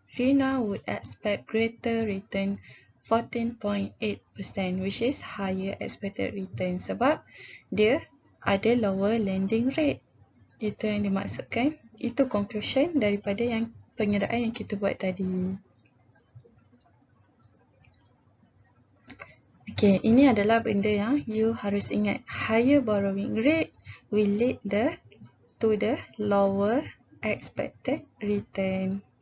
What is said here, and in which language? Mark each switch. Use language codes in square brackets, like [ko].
[en] Rina would expect greater return, 14.8%, which is higher expected return [ms] sebab dia ada [en] lower lending rate. [ms] Itu yang dimaksudkan. Itu conclusion daripada yang pengiraan yang kita buat tadi. Okay, ini adalah benda yang you harus ingat. [en] Higher borrowing rate will lead to the lower expected return.